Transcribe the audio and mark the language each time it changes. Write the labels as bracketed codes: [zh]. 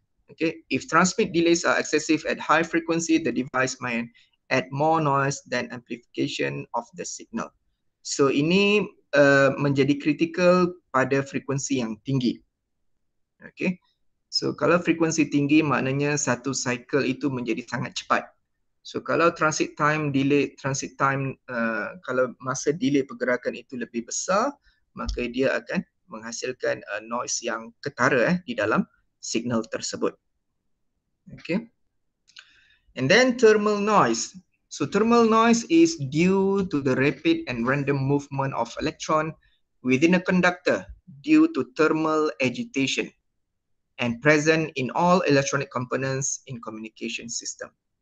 [en] Okay, if transmit delays are excessive at high frequency, the device might add more noise than amplification of the signal. [ms] So ini menjadi critical pada frekuensi yang tinggi. Okay, so kalau frekuensi tinggi maknanya satu cycle itu menjadi sangat cepat. So kalau kalau masa delay pergerakan itu lebih besar, maka dia akan menghasilkan noise yang ketara di dalam signal tersebut. [en] Okay, and then thermal noise. So thermal noise is due to the rapid and random movement of electron within a conductor due to thermal agitation and present in all electronic components in communication system.